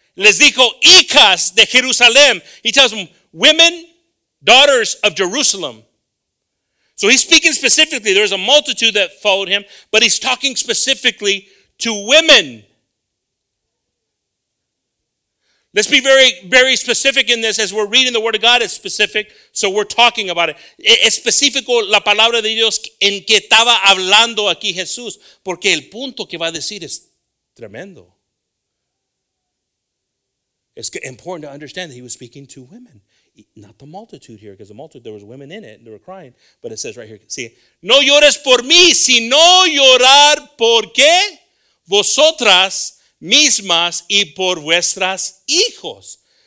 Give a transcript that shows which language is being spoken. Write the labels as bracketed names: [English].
[Spanish] Les dijo, hijas de Jerusalén. [English] He tells them, women, daughters of Jerusalem. So he's speaking specifically. There's a multitude that followed him, but he's talking specifically to women. Let's be very, very specific in this. As we're reading the Word of God, it's specific, so we're talking about it. [Spanish] Es específico la palabra de Dios en que estaba hablando aquí Jesús, porque el punto que va a decir es tremendo. [English] It's important to understand that he was speaking to women, not the multitude here, because the multitude, there was women in it, and they were crying, but it says right here, see, [Spanish] no llores por mí, sino llorar por qué vosotras mismas y por vuestras hijos.